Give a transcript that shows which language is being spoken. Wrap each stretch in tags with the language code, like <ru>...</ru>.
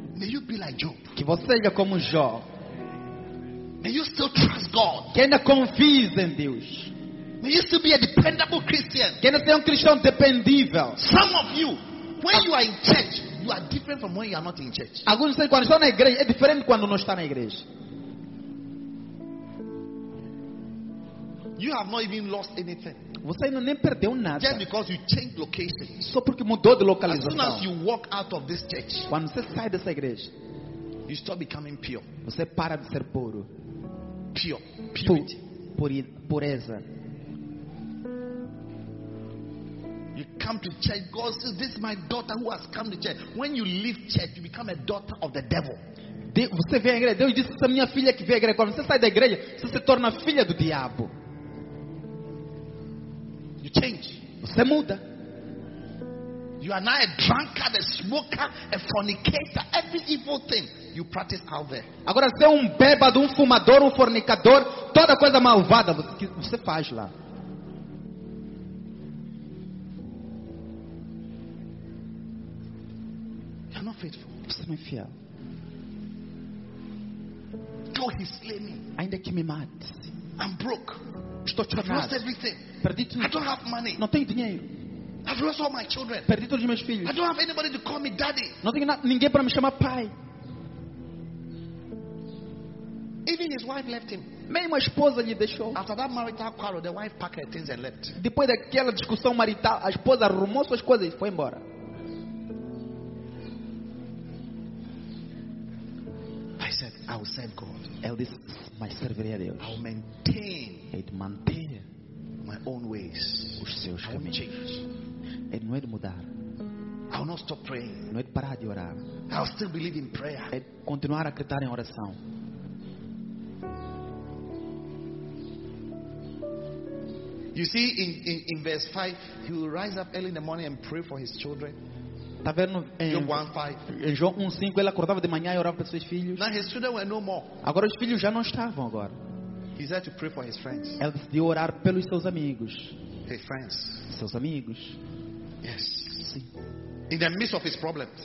<en>May you be like Job.</en> <pt>Que você seja como Job.</pt> <en>May you still trust God.</en> <pt>Que ainda confies em Deus.</pt> <en>May you still be a dependable Christian.</en> <pt>Que ainda seja cristão dependível.</pt> <en>Some of you, when you are in church, you are different from when you are not in church.</en> <pt>Alguns dizem, quando estão na igreja, é diferente quando não estão na igreja.</pt> <en>You have not even lost anything.</en> <pt>Você ainda nem perdeu nada.</pt> <en>Just because you changed location.</en> <pt>Só porque mudou de localização.</pt> <en>As soon as you walk out of this church,</en> <pt>quando você sai dessa igreja,</pt> <en>you stop becoming pure.</en> <pt>Você para de ser puro.</pt> <en>Pure. Purity.</en> <pt>Pureza.</pt> <en>You come to church. God says, "This is my daughter who has come to church." When you leave church, you become a daughter of the devil.</en> <pt>Você vem à igreja. Deus disse, "Essa minha filha que vem à igreja." Quando você sai da igreja, você se torna filha do diabo.</pt> <en>You change.</en> <pt>Você muda.</pt> <en>You are now a drunkard, a smoker, a fornicator, every evil thing you practice out there.</en> <pt>Agora você é bêbado, fumador, fornicador, toda coisa malvada que você faz lá.</pt> <en>You are not faithful.</en> <pt>Você não é fiel.</pt> <en>God, he slay me.</en> <pt>Ainda que me mate.</pt> <en>I'm broke.</en> <pt>Estou chorado.</pt> <en>Lost everything.</en> <pt>Perdi tudo.</pt> <en>I don't have money.</en> <pt>Não tenho dinheiro.</pt> <en>I've lost all my children.</en> <pt>Perdi todos os meus filhos.</pt> <en>I don't have anybody to call me daddy.</en> <pt>Não tenho ninguém para me chamar pai.</pt> <en>Even his wife left him.</en> <pt>Mesmo a esposa lhe deixou.</pt> <en>After that marital quarrel, the wife packed her things and left.</en> <pt>Depois daquela discussão marital, a esposa arrumou suas coisas e foi embora.</pt> <en>I said, I will serve God.</en> <pt>Ele disse, mas servirei a Deus.</pt> <en>I will maintain.</en> <pt>Ele te mantém.</pt> <en>My own ways.</en> <pt>Os seus caminhos. É, não é de mudar.</pt> <en>I will not stop praying.</en> <pt>Não é de parar de orar.</pt> <en>I will still believe in prayer.</en> <pt>É continuar a acreditar em oração.</pt> <en>You see, in verse 5, he will rise up early in the morning and pray for his children.</en> <pt>Tá vendo? Em João 1:5, ele acordava de manhã e orava para seus filhos.</pt> <en>Now his children were no more.</en> <pt>Agora os filhos já não estavam agora.</pt> <en>He said to pray for his friends.</en> <pt>Ele decidiu orar pelos seus amigos.</pt> <en>His friends.</en> <pt>Seus amigos.</pt> <en>Yes.</en> <pt>Sim.</pt> <en>In the midst of his problems.</en>